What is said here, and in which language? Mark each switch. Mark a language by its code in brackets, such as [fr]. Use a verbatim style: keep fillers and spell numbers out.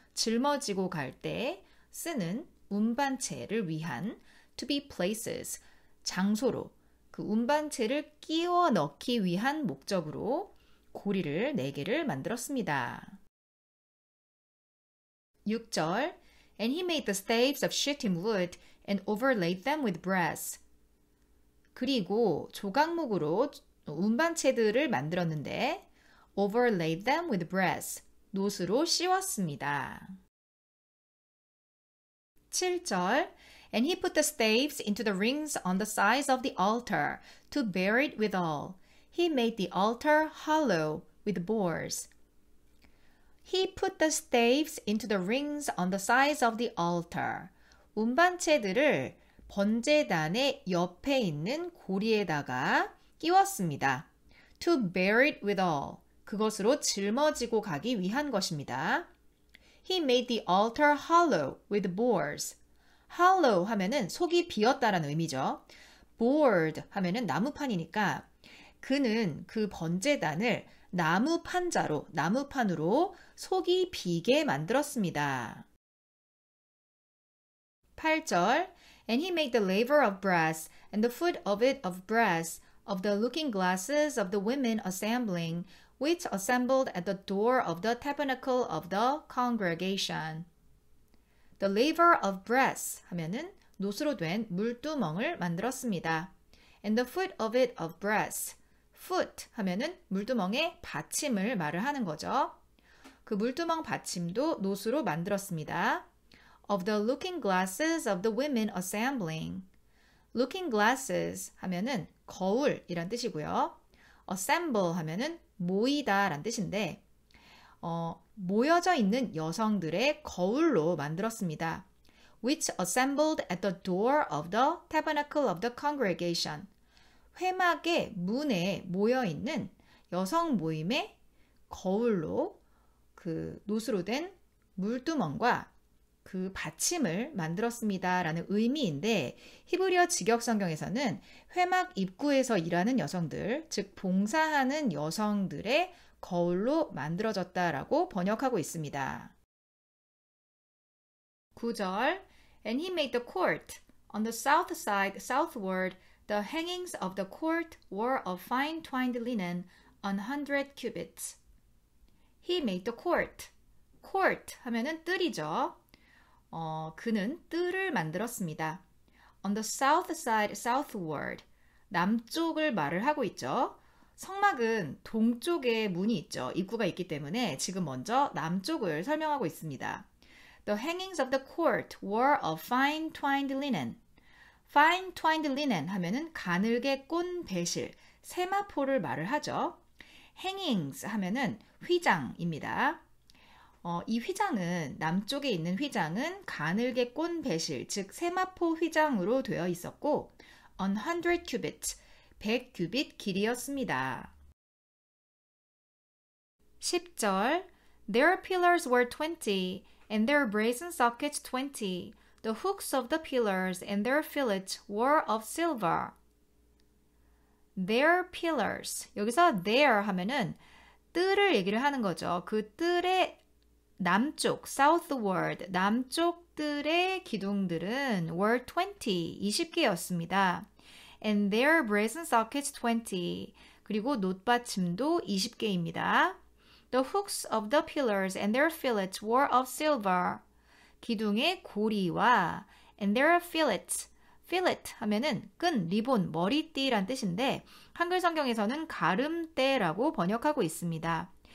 [ko] 짊어지고 갈 때 쓰는 운반체를 위한 [en] to be places, [ko] 장소로, 그 운반체를 끼워 넣기 위한 목적으로 고리를 네 개를 만들었습니다. 육 절 [en] and he made the staves of shittim wood and overlaid them with brass. [ko] 그리고 조각목으로 운반체들을 만들었는데 [en] overlaid them with brass, [ko] 놋으로 씌웠습니다. 칠 절 [en] And he put the staves into the rings on the sides of the altar to bear it withal. He made the altar hollow with bores. He put the staves into the rings on the sides of the altar. [ko] 운반체들을 번제단의 옆에 있는 고리에다가 끼웠습니다. [en] To bear it withal. [ko] 그것으로 짊어지고 가기 위한 것입니다. [en] He made the altar hollow with bores. hollow [ko] 하면은 속이 비었다라는 의미죠. bored 하면은 나무판이니까 그는 그 번제단을 나무판자로, 나무판으로 속이 비게 만들었습니다. 팔 절 [en] And he made the laver of brass and the foot of it of brass of the looking glasses of the women assembling, which assembled at the door of the tabernacle of the congregation. The laver of brass [ko] 하면은 놋으로 된 물두멍을 만들었습니다. [en] And the foot of it of brass. [ko] foot 하면은 물두멍의 받침을 말을 하는 거죠. 그 물두멍 받침도 놋으로 만들었습니다. [en] Of the looking glasses of the women assembling. [ko] looking glasses 하면은 거울이란 뜻이고요. assemble 하면은 모이다 란 뜻인데 어, 모여져 있는 여성들의 거울로 만들었습니다. [en] Which assembled at the door of the tabernacle of the congregation. [ko] 회막의 문에 모여있는 여성 모임의 거울로 그 놋으로 된 물두멍과 그 받침을 만들었습니다 라는 의미인데 히브리어 직역성경에서는 회막 입구에서 일하는 여성들, 즉 봉사하는 여성들의 거울로 만들어졌다라고 번역하고 있습니다. 구 절 [en] And he made the court. On the south side, southward, the hangings of the court were of fine twined linen, an hundred cubits. He made the court. court [ko] 하면은 뜰이죠. 어, 그는 뜰을 만들었습니다. [en] On the south side, southward. [ko] 남쪽을 말을 하고 있죠. 성막은 동쪽에 문이 있죠. 입구가 있기 때문에 지금 먼저 남쪽을 설명하고 있습니다. [en] The hangings of the court were of fine twined linen. fine twined linen [ko] 하면은 가늘게 꼰 배실, 세마포를 말을 하죠. hangings 하면은 휘장입니다. 어, 이 휘장은 남쪽에 있는 휘장은 가늘게 꼰 배실, 즉 세마포 휘장으로 되어 있었고 [en] on hundred cubits, [ko] 백 규빗 길이었습니다. 십 절 [en] Their pillars were twenty, and their brazen sockets twenty. The hooks of the pillars and their fillets were of silver. Their pillars. [ko] 여기서 their 하면은 뜰을 얘기를 하는 거죠. 그 뜰의 남쪽, southward, 남쪽 뜰의 기둥들은 [en] were twenty, [ko] 이십 개였습니다. [en] And their brazen sockets twenty. [ko] 그리고 놋받침도 이십 개입니다. [en] The hooks of the pillars and their fillets were of silver. [ko] 기둥의 고리와 [en] and their fillets. [ko] fillet 하면은 끈, 리본, 머리띠란 뜻인데 한글 성경에서는 가름대라고 번역하고 있습니다.